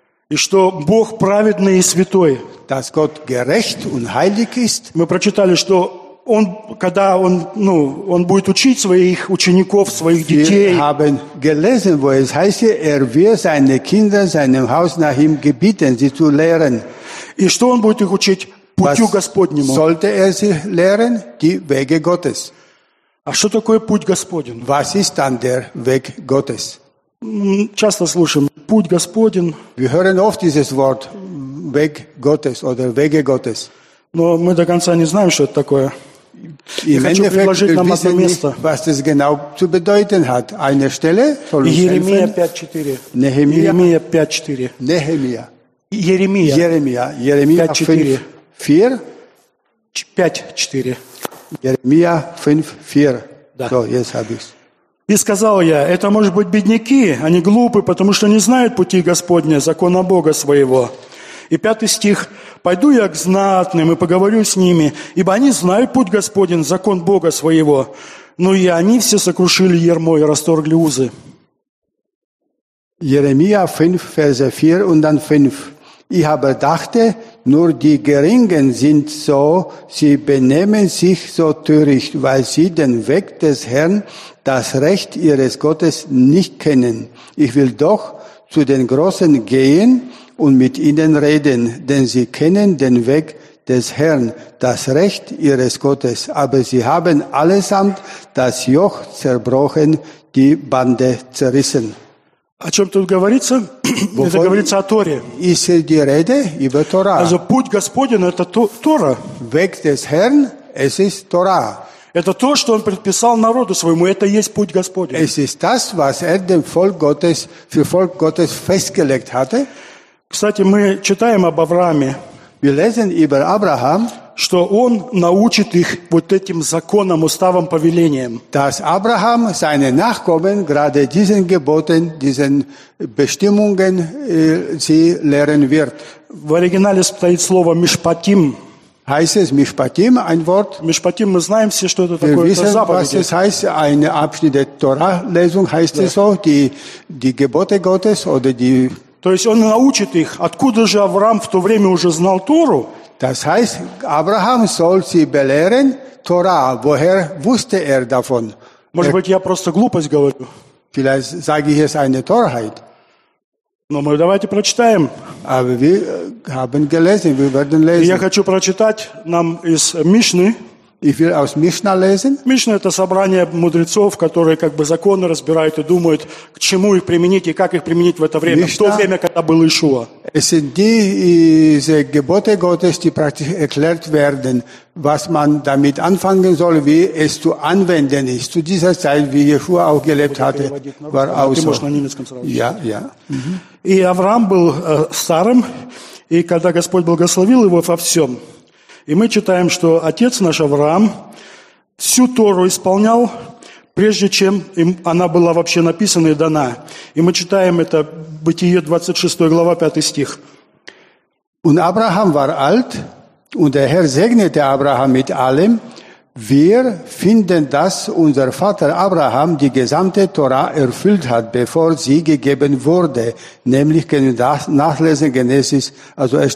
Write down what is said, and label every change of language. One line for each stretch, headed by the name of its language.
Russian: И что Бог праведный и святой.
German: Dass Gott gerecht und heilig ist.
Russian: Мы прочитали, что Он, когда он, ну, он будет учить своих учеников, своих детей.
German: Wir haben gelesen, wo es heißt, wird seine Kinder seinem Haus nach ihm gebieten, sie zu lehren.
Russian: И что он будет их учить путю Господнему?
German: Sollte sie lehren, die Wege Gottes.
Russian: А что такое путь Господен?
German: Was ist dann der Weg Gottes?
Russian: Часто слушаем путь Господен.
German: Wir hören oft dieses Wort Weg Gottes oder Wege Gottes.
Russian: Но мы до конца не знаем, что это такое. Я хочу предложить нам одно место.
German: Was das genau zu bedeuten hat. Eine Stelle, Jeremia 5:4. Jeremia 5:4. Nehemia. Jeremia. Jeremia. Jeremia 5:4. 5:4. Jeremia 5:4. Да. So, jetzt habe ich's.
Russian: И сказал я, это может быть бедняки, они глупы, потому что не знают пути Господня, закона Бога своего. И пятый стих. «Пойду я к знатным и поговорю с ними, ибо они знают путь Господень, закон Бога своего. Но и они все сокрушили ярмо и расторгли узы».
German: Jeremia 5, Verse 4 und dann 5. «Ich habe dachte, nur die Geringen sind so, sie benehmen sich so töricht, weil sie den Weg des Herrn, das Recht ihres Gottes, nicht kennen. Ich will doch zu den Großen gehen, und mit ihnen reden, denn sie kennen den Weg des Herrn, das Recht ihres Gottes, aber sie haben allesamt das Joch zerbrochen, die Bande zerrissen.
Russian: О чем тут говорится? Это говорится о Торе.
German: Ist hier die Rede über Torah.
Russian: Also путь Господень – это Тора.
German: Weg des Herrn – es ist Torah.
Russian: Это то, что он предписал народу своему. Это есть путь Господень.
German: Es ist das, was dem Volk Gottes, für Volk Gottes festgelegt hatte.
Russian: Кстати, мы читаем об Аврааме,
German: wir lesen über Abraham,
Russian: что он научит их вот этим законам, уставам, повелениям.
German: Dass Abraham seine Nachkommen gerade diesen Geboten, diesen Bestimmungen sie lehren wird.
Russian: В оригинале стоит слово «мишпатим».
German: Heißt es Mishpatim ein Wort?
Russian: Mishpatim, мы знаем все, что это такое.
German: Wir wissen, was es heißt, eine Abschnitt der Torah-Lesung heißt es so, die Gebote Gottes oder die.
Russian: То есть он научит их, откуда же Авраам в то время уже знал Тору?
German: Das heißt, Abraham soll sie belehren, Torah, woher wusste er davon?
Russian: Может быть, я просто глупость говорю.
German: Vielleicht sage ich es eine Torheit.
Russian: Но мы давайте прочитаем.
German: Aber wir haben gelesen, wir werden lesen.
Russian: Я хочу прочитать нам из Мишны.
German: Ich will aus Mishnah lesen.
Russian: Мишна – это собрание мудрецов, которые как бы законы разбирают и думают, к чему их применить и как их применить в это время, Mishnah, в то время, когда был Ишуа.
German: Es sind diese Gebote Gottes, die praktisch erklärt werden, was man damit anfangen soll, wie es zu anwenden ist, zu dieser Zeit, wie Ишуа auch gelebt hatte, war auch so. Ja, ja.
Russian: И Авраам был старым, и когда Господь благословил его во всем. И мы читаем, что отец наш Авраам всю Тору исполнял, прежде чем им она была вообще написана и дана. И мы читаем это Бытие 26 глава 5 стих.
German: Und Abraham war alt, und der Herr segnete Abraham mit allem. Wir finden, dass unser Vater Abraham die gesamte Tora erfüllt hat, bevor sie gegeben wurde. Nämlich können wir das nachlesen, Genesis, also 1.